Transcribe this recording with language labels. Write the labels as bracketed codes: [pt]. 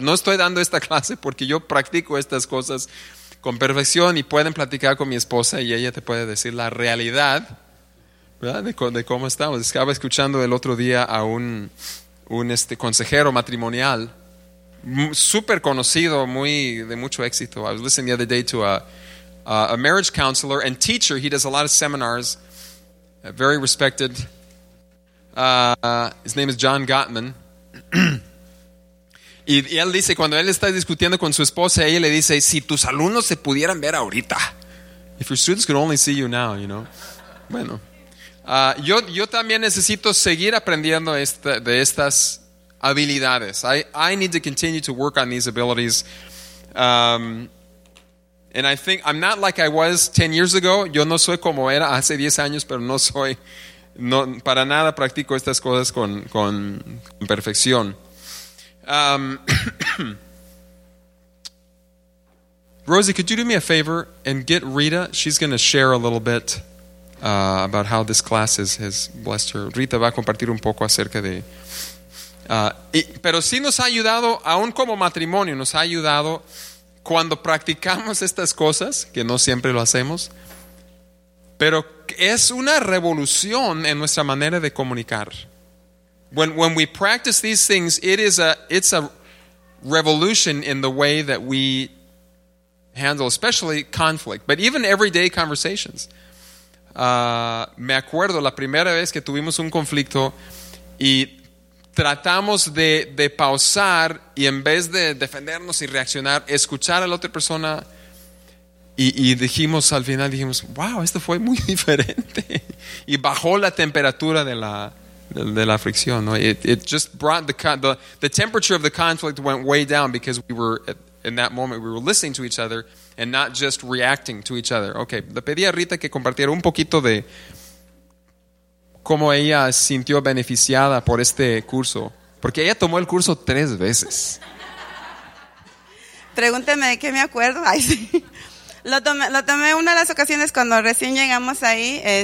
[es] No estoy dando esta clase porque yo practico estas cosas con perfección y pueden platicar con mi esposa y ella te puede decir la realidad, ¿verdad? De cómo estamos. Estaba escuchando el otro día a un consejero matrimonial súper conocido, muy de mucho éxito. [en] I was listening the other day to a marriage counselor and teacher. He does a lot of seminars, very respected. His name is John Gottman. [es] Y él dice, cuando él está discutiendo con su esposa, ella le dice, si tus alumnos se pudieran ver ahorita. [en] If your students could only see you now, you know. [es] Bueno, yo también necesito seguir aprendiendo de estas habilidades. [en] I need to continue to work on these abilities. And I think, I'm not like I was 10 years ago. [es] Yo no soy como era hace 10 años, pero no soy, no, para nada practico estas cosas con perfección. [en] Rosie, could you do me a favor and get Rita? She's going to share a little bit about how this class has blessed her. [es] Rita va a compartir un poco acerca de. Pero sí nos ha ayudado, aún como matrimonio, nos ha ayudado cuando practicamos estas cosas, que no siempre lo hacemos. Pero es una revolución en nuestra manera de comunicar. [en] When we practice these things, it's a revolution in the way that we handle, especially conflict, but even everyday conversations. [es] Me acuerdo la primera vez que tuvimos un conflicto y tratamos de pausar y en vez de defendernos y reaccionar, escuchar a la otra persona y dijimos al final, dijimos, wow, esto fue muy diferente. Y bajó la temperatura de la fricción, ¿no? [en] It just brought the temperature of the conflict went way down because we were in that moment we were listening to each other and not just reacting to each other. [es] Okay, le pedí a Rita que compartiera un poquito de cómo ella sintió beneficiada por este curso, porque ella tomó el curso 3 veces. Pregúnteme de qué me acuerdo. Ay, sí. Lo tomé una de las ocasiones cuando recién llegamos ahí.